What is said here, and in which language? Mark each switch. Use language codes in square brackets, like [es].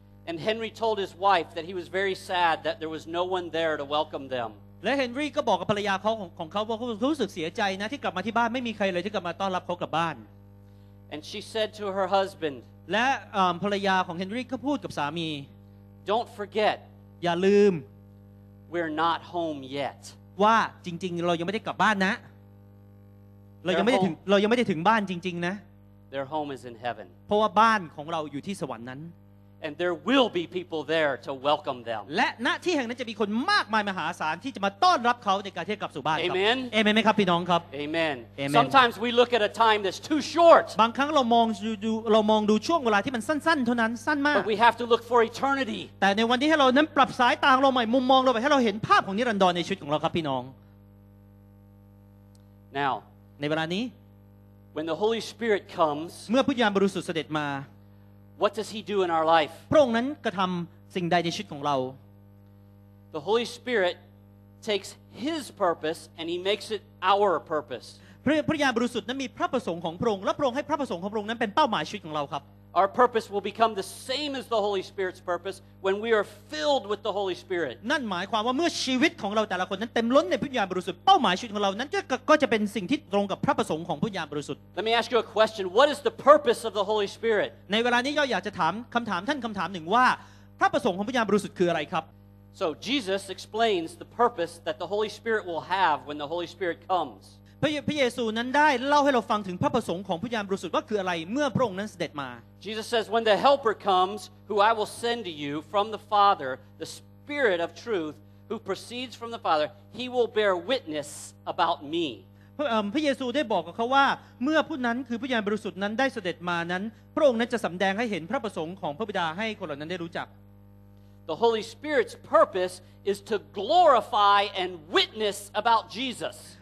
[en] And Henry told his wife that he was very sad that there was no one there to welcome them. [th] และเฮนรี่ก็บอกกับภรรยาเขาของเขาว่าเขารู้สึกเสียใจนะที่กลับมาที่บ้านไม่มีใครเลยที่กลับมาต้อนรับเขากลับบ้าน [en] And she said to her husband. [th] และภรรยาของเฮนรี่ก็พูดกับสามี [en] Don't forget. [th] อย่าลืม [en] We're not home yet. [th] ว่าจริงๆเรายังไม่ได้กลับบ้านนะเรายังไม่ได้ถึงบ้านจริงๆนะ [en] Their home is in heaven. [th] เพราะว่าบ้านของเราอยู่ที่สวรรค์นั้น [en] And there will be people there to welcome them. [th] และณที่แห่งนั้นจะมีคนมากมายมหาศาลที่จะมาต้อนรับเขาในการที่กลับสู่บ้านครับ [en] Amen. Amen. [th] ไหมครับพี่น้องครับ [en] Amen. Amen. Sometimes we look at a time that's too short. [th] บางครั้งเรามองดูช่วงเวลาที่มันสั้นๆเท่านั้นสั้นมาก [en] But we have to look for eternity. [th] แต่ในวันที่ให้เรานั้นปรับสายตาเราใหม่มุมมองเราใหม่ให้เราเห็นภาพของนิรันดรในชีวิตของเราครับพี่น้อง [en] Now. [th] ในเวลานี้ [en] When the Holy Spirit comes. [th] เมื่อพระวิญญาณบริสุทธิ์เสด็จมา [en] What does he do in our life? [th] พระองค์นั้นกระทำสิ่งใดในชีวิตของเรา [en] The Holy Spirit takes his purpose and he makes it our purpose. [th] พระญาณบริสุทธิ์นั้นมีพระประสงค์ของพระองค์และพระองค์ให้พระประสงค์ของพระองค์นั้นเป็นเป้าหมายชีวิตของเราครับ [en] Our purpose will become the same as the Holy Spirit's purpose when we are filled with the Holy Spirit. [th] นั่นหมายความว่าเมื่อชีวิตของเราแต่ละคนนั้นเต็มล้นในพระญาณบริสุทธิ์เป้าหมายชีวิตของเรานั้นก็จะเป็นสิ่งที่ตรงกับพระประสงค์ของพระญาณบริสุทธิ์ [en] Let me ask you a question. What is the purpose of the Holy Spirit? [th] ในเวลานี้ย่ออยากจะถามคำถามท่านคำถามหนึ่งว่าพระประสงค์ของพระญาณบริสุทธิ์คืออะไรครับ [en] So Jesus explains the purpose that the Holy Spirit will have when the Holy Spirit comes. [th] พระเยซูนั้นได้เล่าให้เราฟังถึงพระประสงค์ของพระญาณบริสุทธิ์ว่าคืออะไรเมื่อพระองค์นั้นเสด็จมา [en] Jesus says when the helper comes who I will send to you from the Father the Spirit of truth who proceeds from the Father he will bear witness about me [th] พระเยซูได้บอกกับเขาว่าเมื่อผู้นั้นคือพระญาณบริสุทธิ์นั้นได้เสด็จมานั้นพระองค์นั้นจะสำแดงให้เห็นพระประสงค์ของพระบิดาให้คนเหล่านั้นได้รู้จัก [en] The Holy Spirit's purpose is to glorify and witness about Jesus.